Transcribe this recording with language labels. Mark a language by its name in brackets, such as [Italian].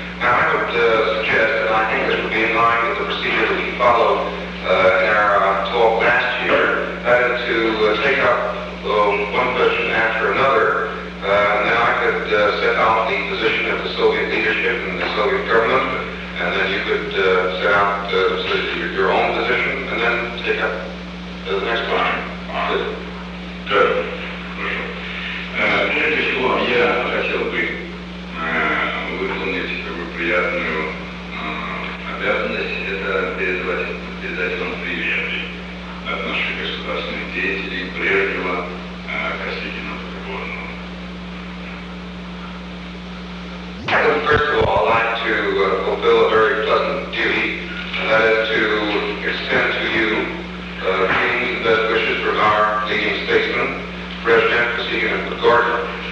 [English] Now, I would suggest, and I think this would be in line with the procedure that we followed in our talk last year, that is to take up one question after another, and then I could set out the position of the Soviet leadership and the Soviet government, and then you could set out your own position, and then take up the next question. Good. Good. [Russian] Прежде всего, я хотел бы выполнить приятную обязанность, это передать вам привет от наших государственных деятелей, прежнего Косыгина Подгорного. [English] First of all, I'd like to fulfill a very pleasant duty, and that is to extend to you greetings and best wishes from our leading statesman, President Косыгин Подгорного.